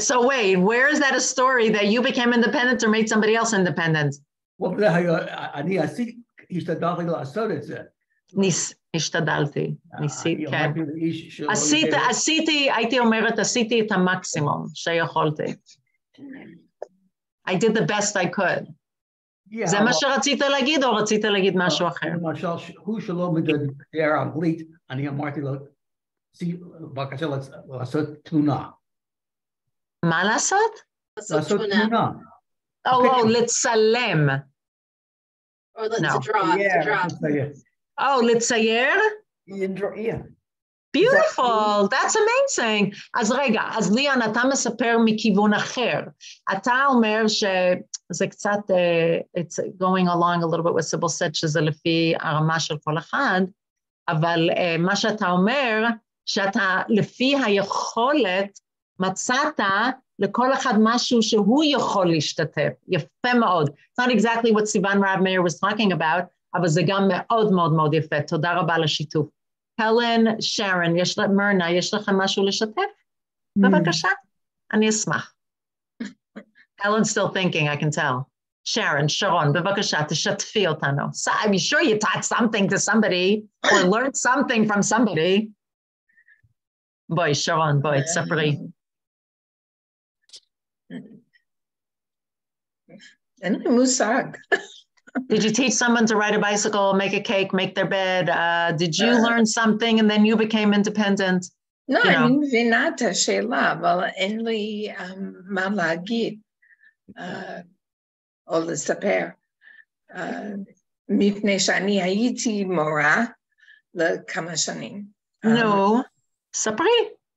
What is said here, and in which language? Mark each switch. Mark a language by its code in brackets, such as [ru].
[en] So wait, where is that a story that you became independent or made somebody else independent? [he] Well, אני עשיתי, השתדלתי לעשות את זה. השתדלתי, ניסית, כן. עשיתי, הייתי אומרת, עשיתי את המקסימום שיכולתי. [en] I did the best I could. [he] זה מה שרצית להגיד או רצית להגיד משהו אחר? למשל, הוא שלא מדבר אנגלית, אני אמרתי לו, בבקשה לעשות תמונה. מה לעשות? לעשות תמונה. Oh, לצלם. [en] Or let's draw. Oh, let's say. Beautiful. That's amazing. [he] אז רגע, אז ליאן, אתה מספר מכיוון אחר. אתה אומר שזה קצת, [en] it's going along a little bit with Sybil said, [he] שזה לפי הרמה של כל אחד, אבל מה שאתה אומר, שאתה לפי היכולת, מצאת לכל אחד משהו שהוא יכול להשתתף. יפה מאוד. [en] It's not exactly what Sivan Rav Meir was talking about, [he] אבל זה גם מאוד מאוד מאוד יפה. תודה רבה לשיתוף. Helen, Sharon, יש לך, מרנה, יש לך משהו לשתף? בבקשה. אני אשמח. [en] Helen's still thinking, I can tell. [he] Sharon, Sharon, בבקשה, תשתפי אותנו. [en] I'm sure you taught something to somebody or learned something from somebody. [he] בואי, שרון, בואי, תספרי. אין לי מושג. [en] Did you teach someone to ride a bicycle, make a cake, make their bed? Did you learn something and then you became independent? [he] No, אני מבינה את השאלה, אבל אין לי מה להגיד או לספר. מפני שאני הייתי מורה לכמה שנים. No, ספרי.